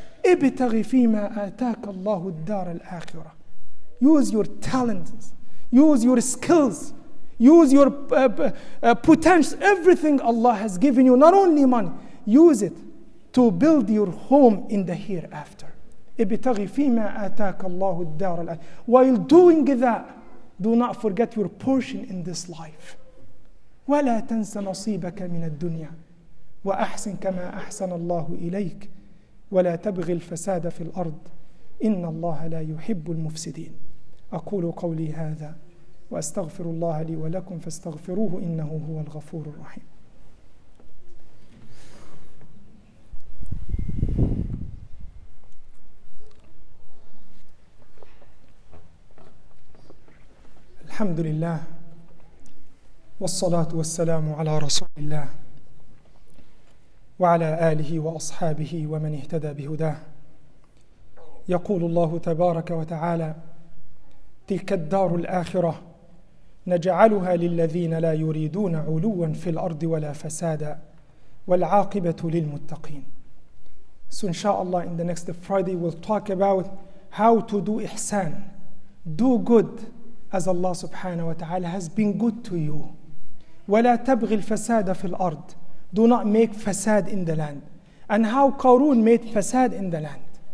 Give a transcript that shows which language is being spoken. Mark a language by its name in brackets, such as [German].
[Arabic] ابتغي فيما آتاك الله الدار الآخرة. [English] Use your talents. Use your skills. Use your potential, everything Allah has given you, not only money. Use it to build your home in the hereafter. [Arabic] ابتغي فيما آتاك الله الدار الآخرة. [English] While doing that, do not forget your portion in this life. [Arabic] ولا تنس نصيبك من الدنيا. وأحسن كما أحسن الله إليك. ولا تبغي الفساد في الأرض. إن الله لا يحب المفسدين. أقول قولي هذا. وأستغفر الله لي ولكم فاستغفروه إنه هو الغفور الرحيم. الحمد لله والصلاة والسلام على رسول الله وعلى آله وأصحابه ومن اهتدى بهداه. يقول الله تبارك وتعالى تلك الدار الآخرة نجعلها للذين لا يريدون علوا في الأرض ولا فسادا والعاقبة للمتقين. [English] So inshallah, in the next Friday we'll talk about how to do ihsan, do good as Allah subhanahu wa ta'ala has been good to you. [Arabic] ولا تبغي الفساد في الأرض. [English] Do not make fasad in the land. And how Qarun made fasad in the land.